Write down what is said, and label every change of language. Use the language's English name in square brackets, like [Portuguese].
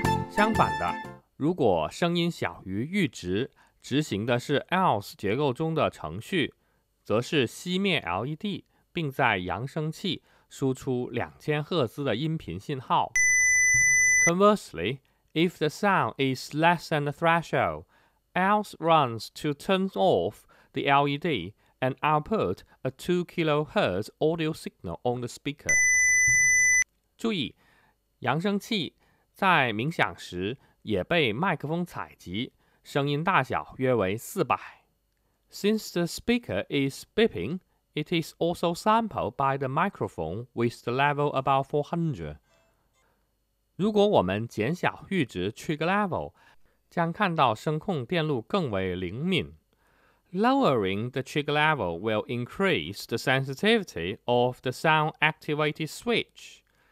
[Chinese] 相反的，如果声音小于阈值，执行的是 else 结构中的程序，则是熄灭 LED， 并在扬声器输出2000赫兹的音频信号。 [English] Conversely, if the sound is less than the threshold, else runs to turn off the LED and output a 2 kHz audio signal on the speaker. [Chinese] 注意，扬声器在冥想时也被麦克风采集，声音大小约为400。 [English] Since the speaker is beeping, it is also sampled by the microphone with the level about 400. [Chinese] 如果我们减小阈值 trig level, 将看到声控电路更为灵敏。 [English] Lowering the trig level will increase the sensitivity of the sound activated switch.